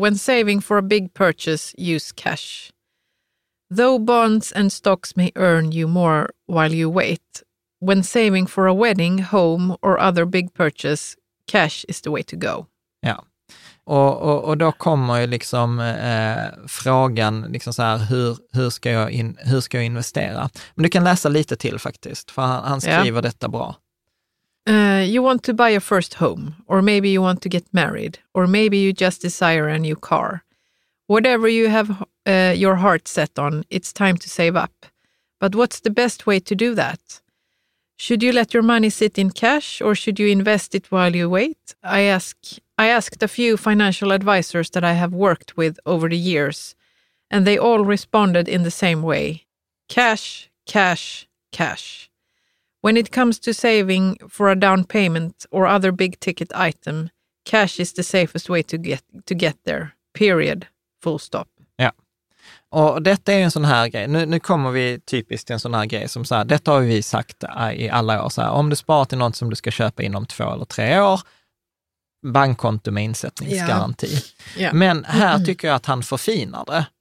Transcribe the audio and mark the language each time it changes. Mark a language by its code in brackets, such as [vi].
[en] When saving for a big purchase, use cash. Though bonds and stocks may earn you more while you wait, when saving for a wedding, home or other big purchase, cash is the way to go. [sv] Ja. Och då kommer ju liksom frågan liksom så här, hur ska jag investera? Men du kan läsa lite till faktiskt, för han skriver detta bra. [en] You want to buy your first home, or maybe you want to get married, or maybe you just desire a new car. Whatever you have your heart set on, it's time to save up. But what's the best way to do that? Should you let your money sit in cash, or should you invest it while you wait? I asked a few financial advisors that I have worked with over the years, and they all responded in the same way. Cash, cash, cash. When it comes to saving for a down payment or other big ticket item, cash is the safest way to get there. Period. Full stop. [sv] Ja. Och detta är en sån här grej. Nu kommer vi typiskt till en sån här grej som så här, detta har vi sagt i alla år. Så här, om du sparar till något som du ska köpa inom 2 eller 3 år, bankkonto med insättningsgaranti. Ja. Men här tycker jag att han förfinar det.